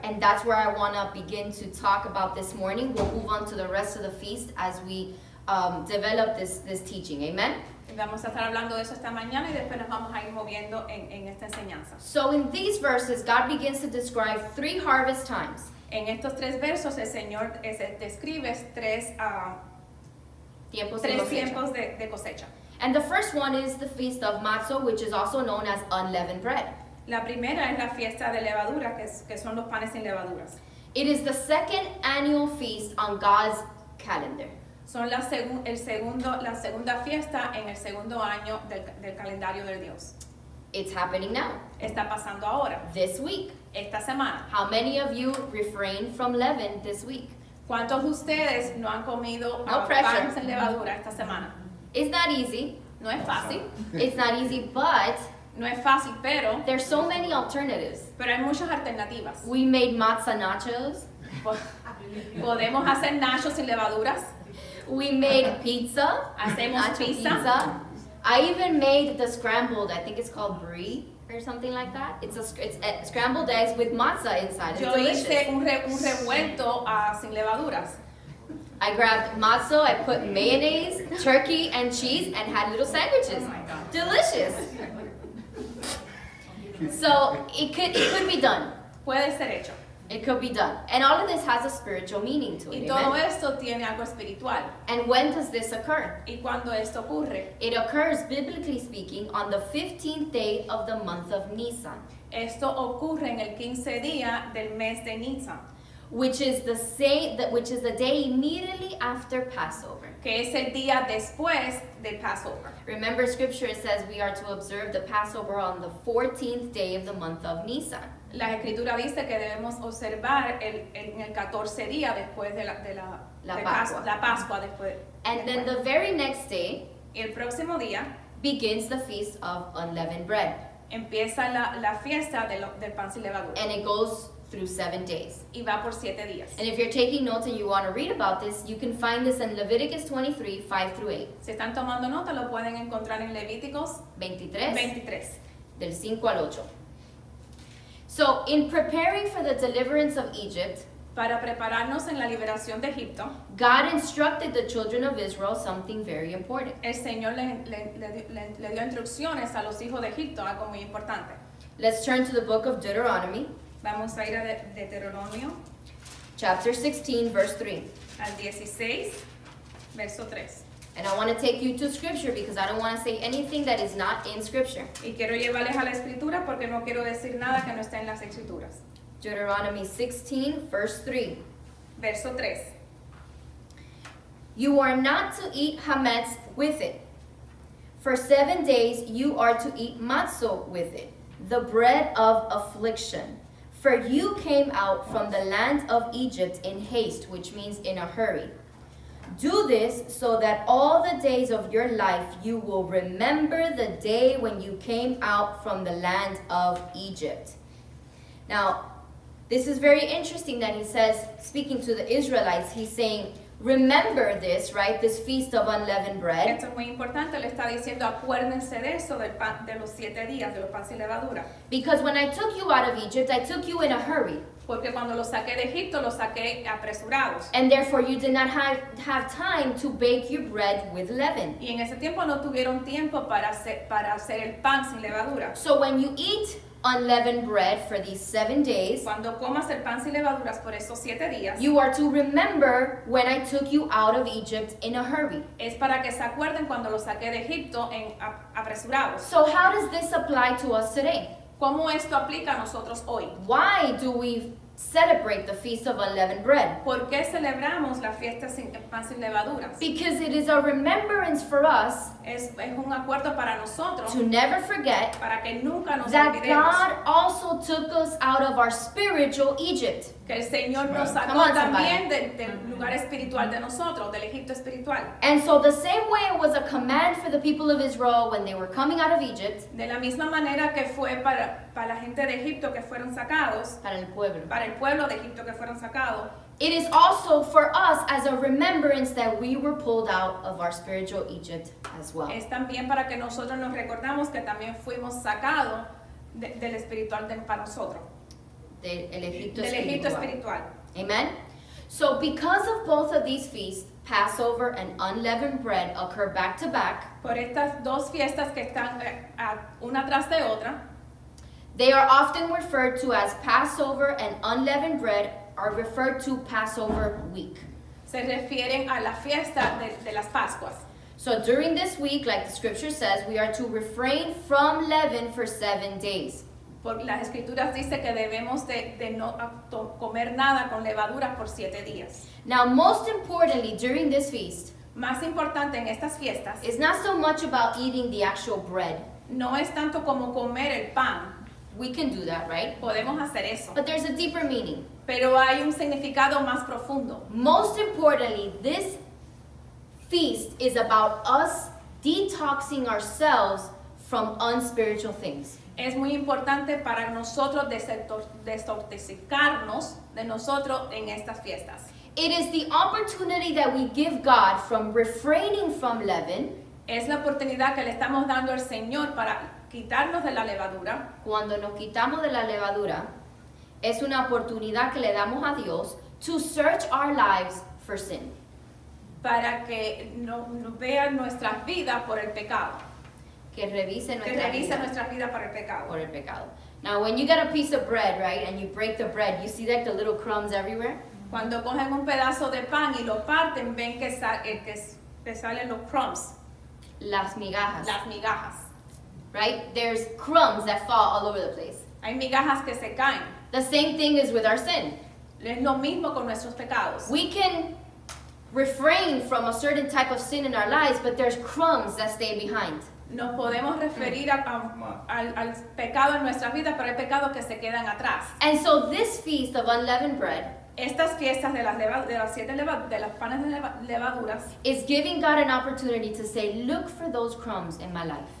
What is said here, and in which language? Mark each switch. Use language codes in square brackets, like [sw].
[en] And that's where I want to begin to talk about this morning. We'll move on to the rest of the feast as we develop this teaching. Amen. [es] Vamos a estar hablando de eso esta mañana y después nos vamos a ir moviendo en esta enseñanza. [en] So in these verses, God begins to describe 3 harvest times. [es] En estos 3 versos, el Señor describe 3 tiempos de cosecha. [en] And the first one is the Feast of Matzo, which is also known as Unleavened Bread. [es] La primera es la fiesta de levadura, que son los panes sin levaduras. [en] It is the 2nd annual feast on God's calendar. [es] Son la segunda fiesta en el segundo año del calendario de Dios. [en] It's happening now. [es] Está pasando ahora. [en] This week. [es] Esta semana. [en] How many of you refrain from leaven this week? [es] ¿Cuántos de ustedes no han comido pan sin levadura esta semana? [en] It's not easy. [es] No es fácil. [en] It's not easy, but [es] no es fácil, pero [en] there's so many alternatives. [es] Pero hay muchas alternativas. [en] We made matzo nachos. [es] Podemos hacer nachos sin levaduras. [en] We made pizza. [es] Hacemos nacho pizza. Pizza. [en] I even made the scrambled, I think it's called brie or something like that. It's a scrambled eggs with matzo inside. [es] Yo hice un revuelto sin levaduras. [en] I grabbed matzo, I put mayonnaise, turkey, and cheese, and had little sandwiches. Oh my God. Delicious. So it could be done. [es] Puede ser hecho. [en] It could be done. And all of this has a spiritual meaning to it. [es] Y todo esto tiene algo espiritual. [en] And when does this occur? [es] Y cuando esto ocurre. [en] It occurs, biblically speaking, on the 15th day of the month of Nisan. [es] Esto ocurre en el 15 día del mes de Nisan. [en] Which is the day immediately after Passover. [es] Que es el día después de Passover. [en] Remember, scripture says we are to observe the Passover on the 14th day of the month of Nisan. [es] La escritura dice que debemos observar el 14 día después de la Pascua después. [en] And then the very next day, [es] el próximo día, [en] begins the feast of unleavened bread. [es] Empieza la fiesta del pan sin levadura. [en] And it goes through 7 days. [es] Y va por 7 días. [en] And if you're taking notes and you want to read about this, you can find this in Leviticus 23, 5 through 8. [es] Si están tomando nota, lo pueden encontrar en Levíticos 23, del 5 al 8. [en] So, in preparing for the deliverance of Egypt, [es] para prepararnos en la liberación de Egipto, [en] God instructed the children of Israel something very important. [es] El Señor le dio instrucciones a los hijos de Egipto, algo muy importante. [en] Let's turn to the book of Deuteronomy. [es] Vamos a ir a Deuteronomio. [en] Chapter 16, verse 3. [es] Al 16, verso 3. [en] And I want to take you to scripture because I don't want to say anything that is not in scripture. [es] Y quiero llevarles a la escritura porque no quiero decir nada que no esté en las escrituras. [en] Deuteronomy 16, verse 3. [es] Verso 3. [en] You are not to eat hametz with it. For 7 days you are to eat matzo with it, the bread of affliction. For you came out from the land of Egypt in haste, which means in a hurry. Do this so that all the days of your life you will remember the day when you came out from the land of Egypt. Now, this is very interesting that he says, speaking to the Israelites, he's saying, remember this, right? This feast of unleavened bread. [es] Esto es muy importante. Le está diciendo, acuérdense de eso, del pan, de los siete días, de los pan sin levadura. [en] Because when I took you out of Egypt, I took you in a hurry. [es] Porque cuando los saqué de Egipto, los saqué apresurados. [en] And therefore you did not have time to bake your bread with leaven. [es] Y en ese tiempo no tuvieron tiempo para hacer el pan sin levadura. [en] So when you eat unleavened bread for these 7 days, [es] cuando comas el pan sin levaduras por esos 7 días, [en] you are to remember when I took you out of Egypt in a hurry. [es] Es para que se acuerden cuando los saqué de Egipto en apresurados. [en] So how does this apply to us today? [es] ¿Cómo esto aplica a nosotros hoy? [en] Why do we celebrate the Feast of Unleavened Bread? [es] ¿Por qué celebramos la fiesta sin pan sin levaduras? [en] Because it is a remembrance for us [es] es un acuerdo para nosotros [en] to never forget [es] para que nunca nos [en] that [es] olvidemos. [en] God also took us out of our spiritual Egypt. [es] Que el Señor nos sacó on, también del lugar espiritual de nosotros, del Egipto espiritual. [en] And so the same way it was a command for the people of Israel when they were coming out of Egypt. [es] De la misma manera que fue para la gente de Egipto que fueron sacados. Para el pueblo de Egipto que fueron sacados. [en] It is also for us as a remembrance that we were pulled out of our spiritual Egypt as well. [es] Es también para que nosotros nos recordamos que también fuimos sacados del espiritual para nosotros. Del Egipto espiritual. Amen? [en] So because of both of these feasts, Passover and unleavened bread occur back to back. [es] Por estas dos fiestas que están una tras de otra. [en] They are often referred to as Passover and unleavened bread are referred to Passover week. [es] Se refieren a la fiesta de las Pascuas. [en] So during this week, like the scripture says, we are to refrain from leaven for 7 days. [es] Las escrituras dice que debemos de no comer nada con levadura por 7 días. [en] Now, most importantly, during this feast, [es] Más importante en estas fiestas, [en] it's not so much about eating the actual bread. [es] No es tanto como comer el pan. [en] We can do that, right? [es] Podemos hacer eso. [en] But there's a deeper meaning. [es] Pero hay un significado más profundo. [en] Most importantly, this feast is about us detoxing ourselves from unspiritual things. [es] Es muy importante para nosotros desintoxicarnos de nosotros en estas fiestas. [en] It is the opportunity that we give God from refraining from leaven. [es] Es la oportunidad que le estamos dando al Señor para quitarnos de la levadura. Cuando nos quitamos de la levadura, es una oportunidad que le damos a Dios [en] to search our lives for sin. [es] Para que no vea nuestra vida por el pecado. Que revise nuestra vida por el pecado. [en] Now, when you get a piece of bread, right, and you break the bread, you see that the little crumbs everywhere? [es] Cuando cogen un pedazo de pan y lo parten, ven que salen los crumbs. Las migajas. [en] Right? There's crumbs that fall all over the place. [es] Hay migajas que se caen. [en] The same thing is with our sin. [es] Es lo mismo con nuestros pecados. [en] We can refrain from a certain type of sin in our lives, but there's crumbs that stay behind. [es] Nos podemos referir al pecado en nuestras vidas, pero hay pecados que se quedan atrás. [en] And so this feast of unleavened bread, [es] estas fiestas de las panes de levaduras, [en] is giving God an opportunity to say, look for those crumbs in my life.